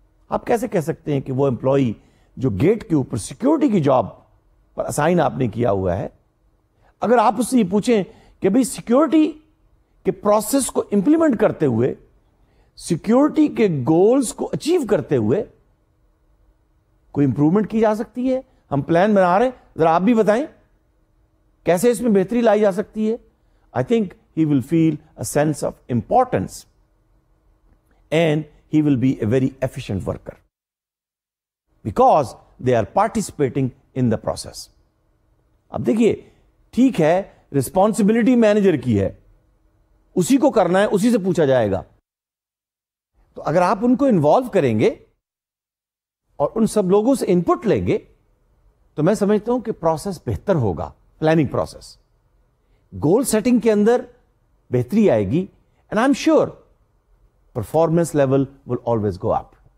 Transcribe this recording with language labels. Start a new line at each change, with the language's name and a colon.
Urdu: آپ کیسے کہہ سکتے ہیں کہ وہ امپلائی جو گیٹ کے اوپر سیکیورٹی کی جاب پر اسائن آپ نے کیا ہوا ہے، اگر آپ اس سے یہ پوچھیں کہ بھائی سیکیورٹی کے پروسیس کو امپلیمنٹ کرتے ہوئے، سیکیورٹی کے گولز کو اچیو کرتے ہوئے کوئی امپروومنٹ کی جا سکتی ہے؟ ہم پلان بنا رہے ہیں، ذرا آپ بھی بتائیں کیسے اس میں بہتری لائی جا سکتی ہے.
English: I think he will feel a sense of importance and he will be a very efficient worker because they are participating in the process.
Urdu: اب دیکھیے، ٹھیک ہے، ریسپانسبلٹی مینیجر کی ہے، اسی کو کرنا ہے، اسی سے پوچھا جائے گا. تو اگر آپ ان کو انوالو کریں گے اور ان سب لوگوں سے ان پٹ لیں گے تو میں سمجھتا ہوں کہ پروسیس بہتر ہوگا، پلاننگ پروسیس، گول سیٹنگ کے اندر بہتری آئے گی،
English: And I am sure performance level will always go up.